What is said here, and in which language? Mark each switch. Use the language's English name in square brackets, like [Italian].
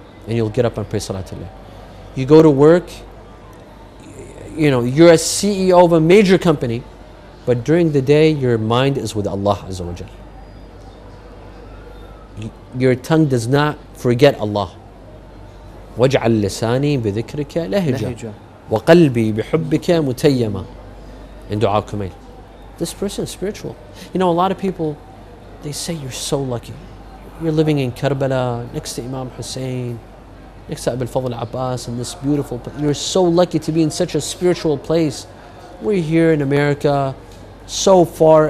[English] And you'll get up and pray Salat al-Layl. You go to work, you know, you're a CEO of a major company, but during the day, your mind is with Allah Azza wa Jalla. Your tongue does not forget Allah. [Arabic] وَاجْعَلْ لِسَانِي بِذِكْرِكَ لَهِجَ وَقَلْبِي بِحُبِّكَ مُتَيَّمَ in Dua Kumail. [English] This person is spiritual. You know, a lot of people, they say you're so lucky. You're living in Karbala, next to Imam Hussein, next to Abul Fadl Abbas, and this beautiful place. You're so lucky to be in such a spiritual place. We're here in America, so far.